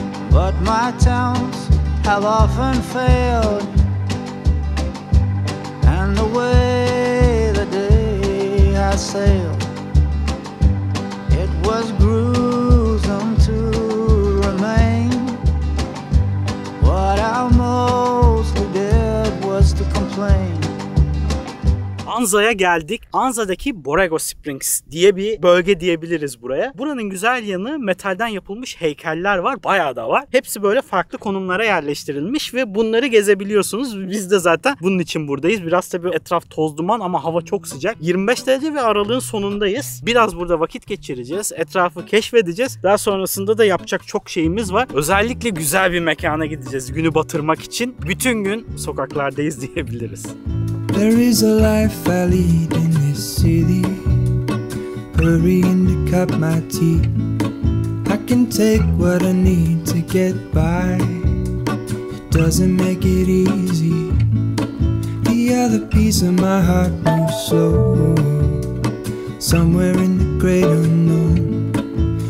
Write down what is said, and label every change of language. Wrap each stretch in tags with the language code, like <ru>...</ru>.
<en>But my towns have often failed, and the way the day has sailed, it was gruesome to remain. What I mostly did was to complain.</en> <tr>Anza'ya geldik. Anza'daki Borrego Springs diye bir bölge diyebiliriz buraya. Buranın güzel yanı metalden yapılmış heykeller var. Bayağı da var. Hepsi böyle farklı konumlara yerleştirilmiş ve bunları gezebiliyorsunuz. Biz de zaten bunun için buradayız. Biraz tabii etraf toz duman ama hava çok sıcak. 25 derece ve Aralık'ın sonundayız. Biraz burada vakit geçireceğiz. Etrafı keşfedeceğiz. Daha sonrasında da yapacak çok şeyimiz var. Özellikle güzel bir mekana gideceğiz günü batırmak için. Bütün gün sokaklardayız diyebiliriz.</tr> <en>There is a life I lead in this city, hurrying to cut my teeth. I can take what I need to get by, it doesn't make it easy. The other piece of my heart moves slow, somewhere in the great unknown.</en>